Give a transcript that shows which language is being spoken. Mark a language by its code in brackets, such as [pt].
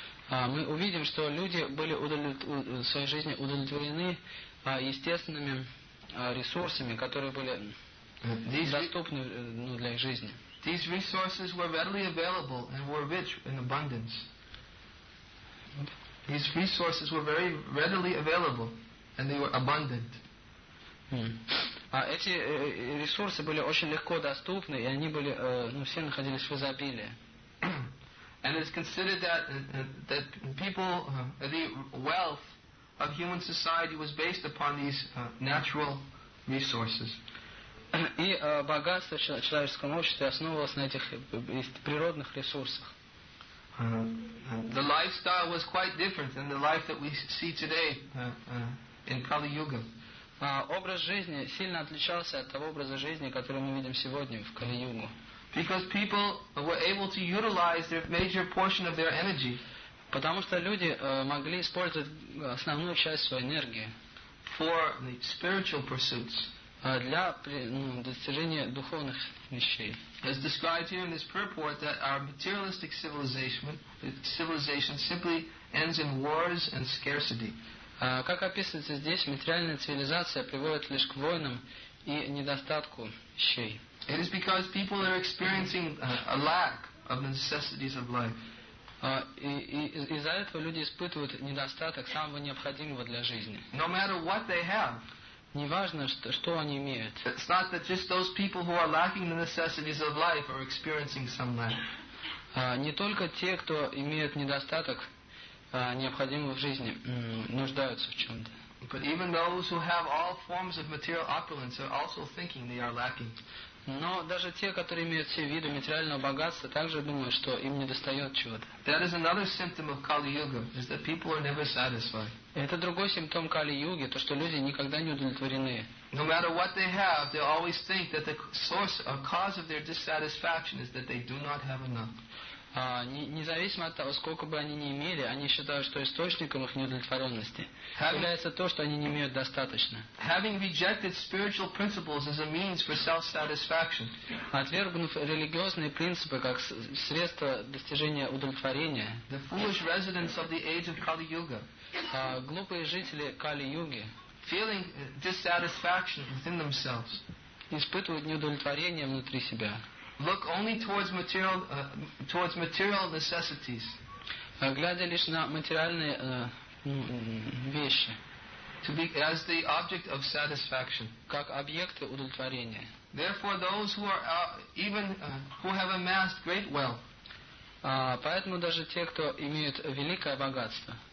[ru] Мы увидим, что люди были в своей жизни удовлетворены естественными ресурсами, которые были доступны для их жизни. [en] These resources were readily available and were rich in abundance. These resources were very readily available and they were abundant. [ru] Эти ресурсы были очень легко доступны, и они были, все находились в изобилии. [en] And it's considered that people, the wealth of human society was based upon these natural resources. [ru] И богатство человеческого общества основывалось на этих природных ресурсах. [en] The lifestyle was quite different than the life that we see today in Kali Yuga. [ru] Образ жизни сильно отличался от того образа жизни, который мы видим сегодня в Кали-Югу. [en] Because people were able to utilize their major portion of their energy. [ru] Потому что люди могли использовать основную часть своей энергии [en] for the spiritual pursuits. [ru] Для достижения духовных вещей. [en] As described here in this purport, that our materialistic civilization simply ends in wars and scarcity. [ru] Как описывается здесь, материальная цивилизация приводит лишь к войнам и недостатку вещей. [en] It is because people are experiencing a lack of the necessities of life. [ru] Из-за этого люди испытывают недостаток самого необходимого для жизни. [en] No matter what they have. [ru] Неважно, что они имеют. [en] It's not that just those people who are lacking the necessities of life are experiencing some lack. [ru] Не только те, кто имеют недостаток необходимы в жизни, нуждаются в чем-то. [en] But even those who have all forms of material opulence are also thinking they are lacking. [ru] Но даже те, которые имеют все виды материального богатства, также думают, что им недостает чего-то. [en] That is another symptom of Kali Yuga, is that people are never satisfied. [ru] Это другой симптом Кали Юги, то что люди никогда не удовлетворены. [en] No matter what they have, they always think that the source or cause of their dissatisfaction is that they do not have enough. [ru] Независимо от того, сколько бы они ни имели, они считают, что источником их неудовлетворенности является то, что они не имеют достаточно. [en] Having rejected spiritual principles as a means for self-satisfaction. [ru] Отвергнув религиозные принципы как средство достижения удовлетворения. [en] The foolish residents of the age of Kali Yuga. [ru] Глупые жители Кали-Юги. [en] Feeling dissatisfaction within themselves. [ru] Испытывают неудовлетворение внутри себя. [en] Look only towards material necessities. [ru] Глядя лишь на материальные вещи. [en] To be as the object of satisfaction. [ru] Как объекты удовлетворения. [en] Therefore, those who are even who have amassed great wealth. [ru] Поэтому даже те, кто имеют великое богатство.